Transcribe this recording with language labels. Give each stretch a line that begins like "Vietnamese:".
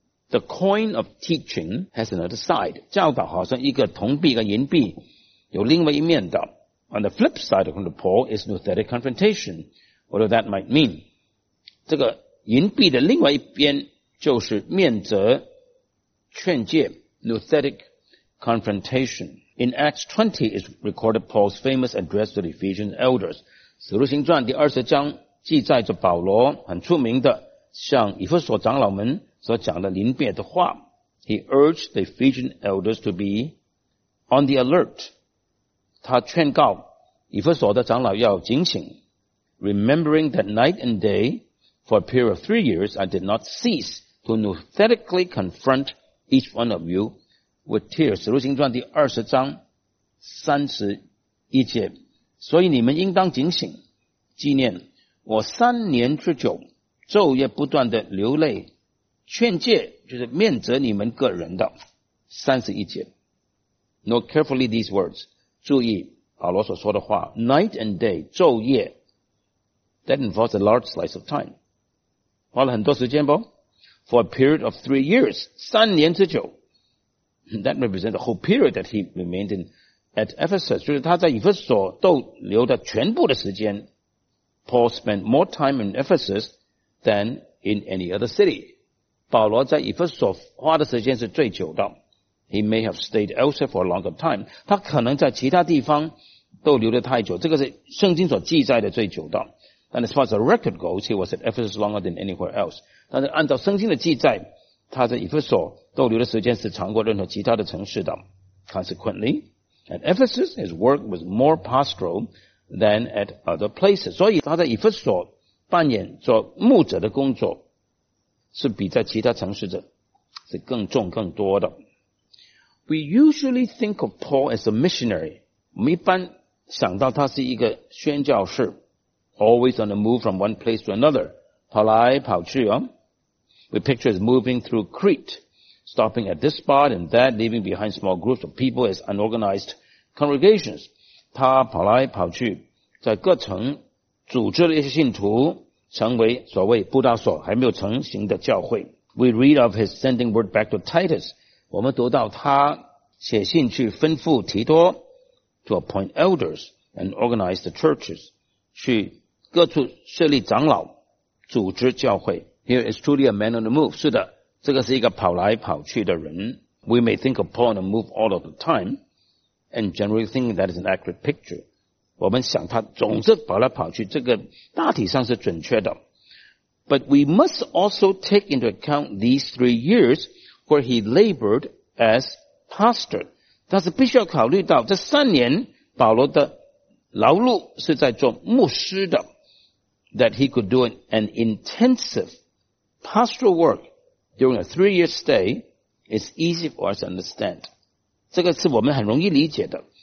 English: The coin of teaching has another side
Chinese: 教导好像一个铜币一个银币有另外一面的
English: On the flip side according to Paul is nothetic confrontation whatever that might mean
Chinese: 这个银币的另外一边就是面责劝诫
English: nothetic confrontationIn Acts 20 is recorded Paul's famous address to the Ephesian elders.
Chinese: 使徒行传第二十章记载着保罗很出名的向以弗所长老们所讲的临别的话。
English: He urged the Ephesian elders to be on the alert.
Chinese: 他劝告以弗所的长老要警醒。
English: Remembering that night and day, for a period of 3 years, I did not cease to nothetically confront each one of you,With tears,
Chinese: 使徒行传第二十章三十一节，所以你们应当警醒，纪念我三年之久，昼夜不断的流泪劝诫就是面责你们个人的。
English: 31节 Note carefully these words.
Chinese: 注意保罗所说的话
English: Night and day,
Chinese: 昼夜
English: That involves a large slice of time.
Chinese: 花了很多时间不
English: For a period of 3 years,
Chinese: 三年之久
English: That represents the whole period that he remained in at Ephesus.
Chinese: 就是他在以弗所逗留的全部的时间
English: Paul spent more time in Ephesus than in any other city.
Chinese: 保罗在以弗所花的时间是最久的。
English: He may have stayed elsewhere for a longer time.
Chinese: 他可能在其他地方逗留得太久。这个是圣经所记载的最久的。
English: And as far as the record goes, he was at Ephesus longer than anywhere else.
Chinese: 但是按照圣经的记载，他在以弗所逗留的时间是长过任何其他的城市的。
English: Consequently, at Ephesus, his work was more pastoral than at other places.
Chinese: 所以他在以弗所扮演做牧者的工作是比在其他城市的是更重更多的。
English: We usually think of Paul as a missionary.
Chinese: 我们一般想到他是一个宣教士
English: always on the move from one place to another.
Chinese: 跑来跑去哦。
English: We picture as moving through Crete, stopping at this spot and that, leaving behind small groups of people as unorganized congregations.
Chinese: 他跑来跑去在各城组织了一些信徒成为所谓布道所还没有成型的教会。
English: We read of his sending word back to Titus.
Chinese: 我们读到他写信去吩咐提多
English: to appoint elders and organize the churches,
Chinese: 去各处设立长老组织教会。
English: Here is truly a man on the move.
Chinese: 是的，这个是一个跑来跑去的人。
English: We may think of Paul on the move all of the time, and generally think that is an accurate picture.
Chinese: 我们想他总是跑来跑去，这个大体上是准确的。
English: But we must also take into account these 3 years where he labored as pastor.
Chinese: 但是必须要考虑到这三年保罗的劳碌是在做牧师的。
English: That he could do an intensive pastoral work during a 3 year stay is easy for us to understand.
Chinese: 这个是我们很容易理解的。